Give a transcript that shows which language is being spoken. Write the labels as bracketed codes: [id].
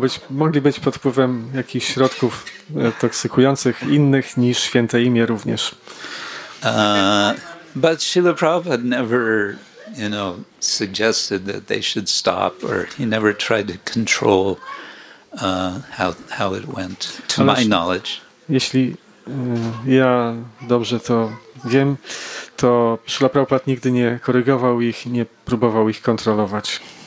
[pl] Mogli być pod wpływem jakichś środków toksykujących innych niż święte imię również. [en] But Srila Prabhupada never, you know, suggested that they should stop, or he never tried to control how it went, to my knowledge. [pl] Jeśli ja dobrze to wiem, to Srila Prabhupada nigdy nie korygował ich, nie próbował ich kontrolować.